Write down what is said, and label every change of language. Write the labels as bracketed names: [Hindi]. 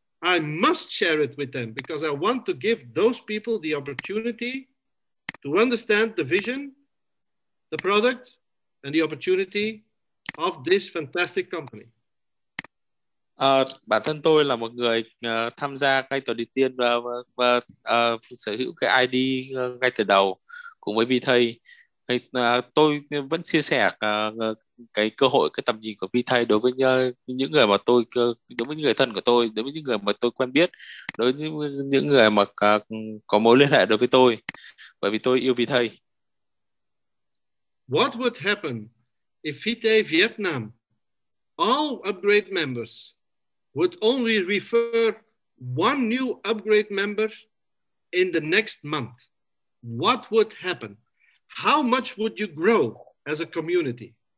[English] I must share it with them because I want to give those people the opportunity to understand the vision, the product, and the opportunity of this fantastic company. [Vietnamese] Bản thân tôi là một người tham gia ngay từ đầu tiên và sở hữu cái ID ngay từ đầu cùng với Vitae. Tôi vẫn chia sẻ cái cơ hội, cái tầm nhìn của Vitae đối với những người mà tôi, đối với những người thân của tôi, đối với những người mà tôi quen biết, đối với những người mà có mối liên hệ đối với tôi, bởi vì tôi yêu Vitae. [English] What would happen if Vitae Vietnam, all upgrade members, would only refer one new upgrade member in the next month? What would happen? How much would you grow as a community?